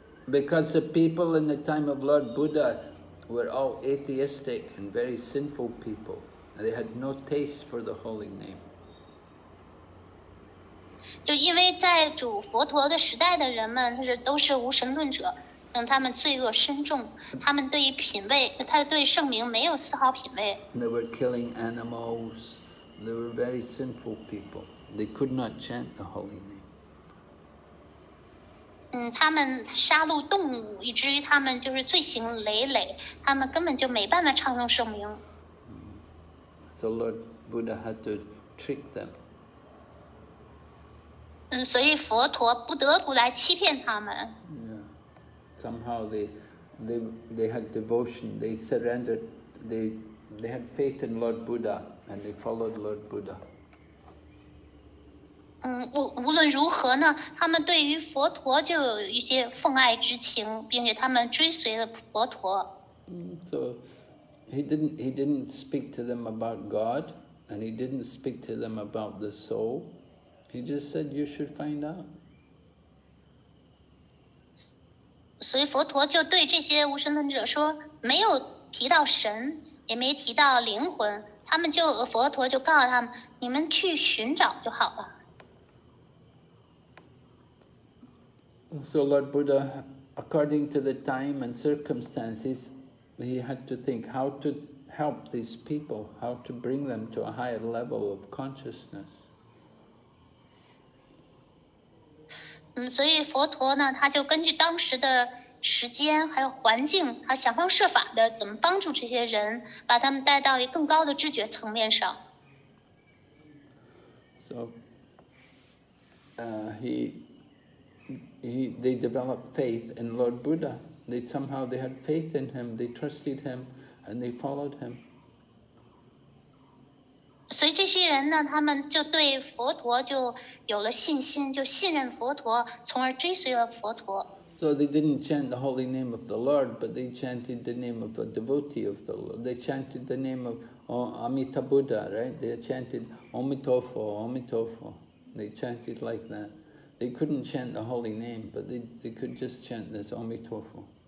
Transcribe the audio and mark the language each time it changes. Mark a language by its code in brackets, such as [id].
[en] Because the people in the time of Lord Buddha were all atheistic and very sinful people. They had no taste for the holy name. [zh] 就因为在主佛陀的时代的人们都是无神论者。他们罪恶深重，他们对于品味，他对圣名没有丝毫品味。 [en] They were killing animals. They were very sinful people. They could not chant the holy name. [zh] 他们杀戮动物，以至于他们就是罪行累累，他们根本就没办法唱诵圣名。 [en] So Lord Buddha had to trick them. [zh] 所以佛陀不得不来欺骗他们。 [en] Somehow they had devotion, they surrendered, they had faith in Lord Buddha, and they followed Lord Buddha. [zh] 无论如何呢，他们对于佛陀就有一些奉爱之情，并且他们追随了佛陀。 [en] So he didn't speak to them about God, and he didn't speak to them about the soul. He just said, you should find out. [zh] 所以佛陀就对这些无神论者说，没有提到神，也没提到灵魂，他们就佛陀就告诉他们，你们去寻找就好了。 [en] So Lord Buddha, according to the time and circumstances, he had to think how to help these people, how to bring them to a higher level of consciousness. [zh] 所以佛陀呢，他就根据当时的时间还有环境，他想方设法的怎么帮助这些人，把他们带到一个更高的知觉层面上。 [en] So, they developed faith in Lord Buddha. They somehow they had faith in him. They trusted him, and they followed him. [zh] 所以这些人呢，他们就对佛陀就有了信心，就信任佛陀，从而追随了佛陀。 [en] So they didn't chant the holy name of the Lord, but they chanted the name of a devotee of the Lord. They chanted the name of Amitabha Buddha, right? They chanted Omitofo, Omitofo. They chanted like that. They couldn't chant the holy name, but they could just chant this Omitofo.